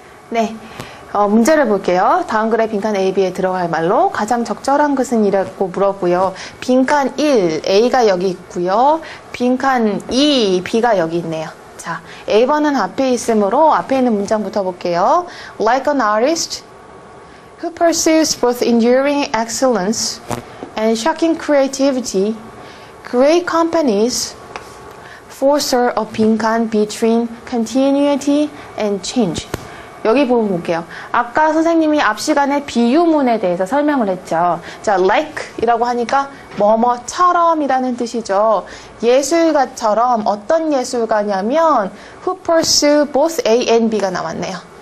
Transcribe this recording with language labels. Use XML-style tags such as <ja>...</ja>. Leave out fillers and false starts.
<ko>네. 문제를 볼게요. 다음 글의 빈칸 A, B에 들어갈 말로 가장 적절한 것은 이라고 물었고요. 빈칸 1, A가 여기 있고요. 빈칸 2, B가 여기 있네요. 자, A번은 앞에 있으므로 앞에 있는 문장부터 볼게요.</ko> <en>Like an artist who pursues both enduring excellence and shocking creativity, great companies foster a 빈칸 between continuity and change.</en> <ko>여기 부분 볼게요. 아까 선생님이 앞 시간에 비유문에 대해서 설명을 했죠. 자, like이라고 하니까 뭐뭐처럼이라는 뜻이죠. 예술가처럼 어떤 예술가냐면 who pursue both A and B가 나왔네요.</ko>